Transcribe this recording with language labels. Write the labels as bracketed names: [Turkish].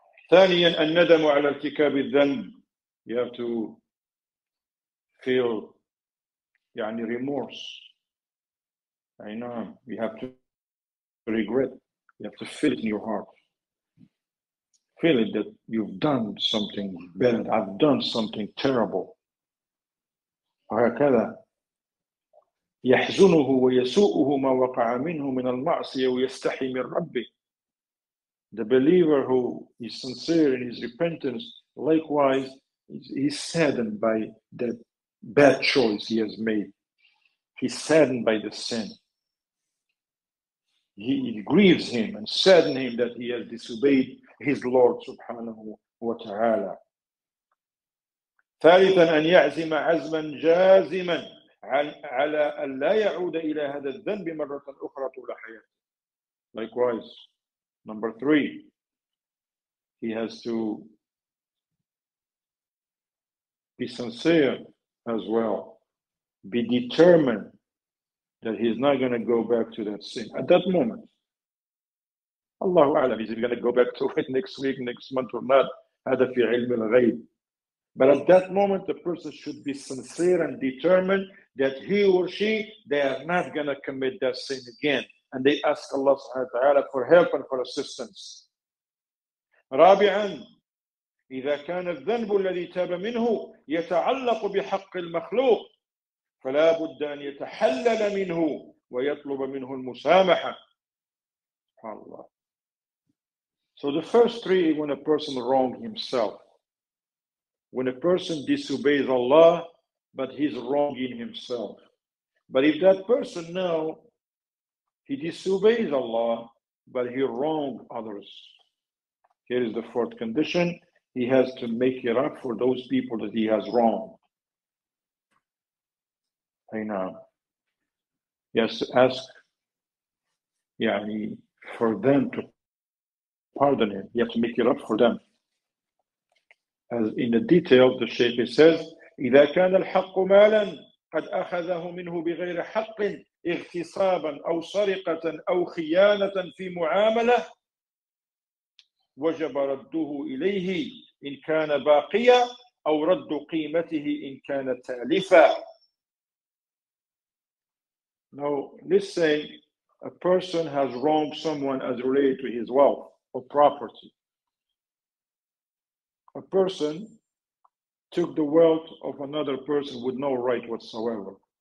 [Arabic] ثانيا الندم على ارتكاب الذنب. [English] You have to feel [Arabic] يعني [English] remorse. I know. You have to regret. You have to feel it in your heart. Feel it that you've done something bad. I've done something terrible. [Arabic] وهكذا يحزنه ويسوءه ما وقع منه من المعصية ويستحي من ربه. [English] The believer who is sincere in his repentance, likewise, he's saddened by that bad choice he has made. He's saddened by the sin. It grieves him and saddens him that he has disobeyed his Lord subhanahu wa ta'ala. [Arabic] ثالثا أن يعزم عزما جازما على أن لا يعود إلى هذا الذنب مرة أخرى طول حياته. [English] Likewise. Number three, he has to be sincere as well. Be determined that he's not going to go back to that sin at that moment. Allahu a'lam, is he going to go back to it next week, next month or not? [Arabic] هذا في علم الغيب. [English] But at that moment, the person should be sincere and determined that he or she, they are not going to commit that sin again. And they ask Allah subhanahu wa ta'ala for help and for assistance. [Arabic] رابعاً إذا كان الذنب الذي تاب منه يتعلق بحق المخلوق فلا بد أن يتحلل منه ويطلب منه المسامحة. Allah. [English] So the first three, when a person wronged himself, when a person disobeys Allah, but he's wronging himself. But if that person now, he disobeys Allah, but he wronged others. Here is the fourth condition. He has to make it up for those people that he has wronged. He has to ask for them to pardon him. He has to make it up for them. As in the detail, the Shaykh says, [Arabic] إِذَا كَانَ الْحَقُّ مَالًا قَدْ أَخَذَهُ مِنْهُ بِغَيْرِ حَقٍ اغْتِصَابًا أَوْ سَرِقَةً أَوْ خِيَانَةً فِي مُعَامَلَةٍ وَجَبَ رَدُّهُ إِلَيْهِ إِنْ كَانَ بَاقِيًا أَوْ رَدُّ قِيمَتِهِ إِنْ كَانَ تَالِفًا. [English] Now, let's say a person has wronged someone as related to his wealth or property. A person took the wealth of another person with no right whatsoever.